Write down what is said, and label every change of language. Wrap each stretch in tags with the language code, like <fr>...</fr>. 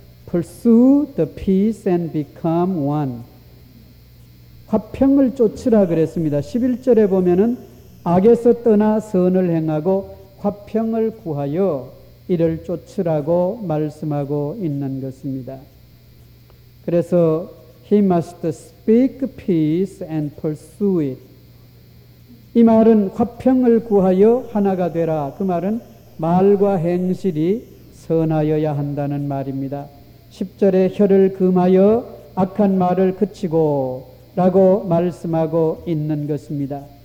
<en>Pursue the peace and become one.</en> <ko>화평을 쫓으라 그랬습니다. 11절에 보면은 악에서 떠나 선을 행하고 화평을 구하여 이를 쫓으라고 말씀하고 있는 것입니다. 그래서</ko> <en>he must speak peace and pursue it.</en> <ko>이 말은 화평을 구하여 하나가 되라. 그 말은 말과 행실이 선하여야 한다는 말입니다. 10절에 혀를 금하여 악한 말을 그치고 라고 말씀하고 있는 것입니다.</ko>